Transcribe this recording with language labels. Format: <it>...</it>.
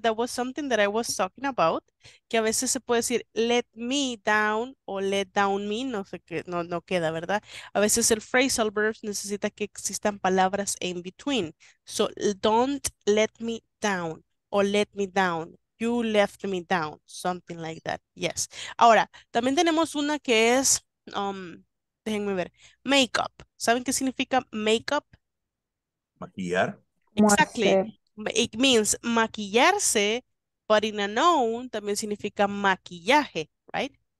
<en>That was something that I was talking about.</en> <es>Que a veces se puede decir let me down o let down me, no sé qué, no queda, ¿verdad? A veces el phrasal verb necesita que existan palabras</es> <en>in between. So don't let me down o let me down. You left me down. Something like that. Yes.</en> <es>Ahora, también tenemos una que es, déjenme ver, makeup. ¿Saben qué significa makeup? Maquillar.</es> <en>Exactly. It means maquillarse, but in a noun</en> <es>también significa maquillaje,</es> <en>right?</en>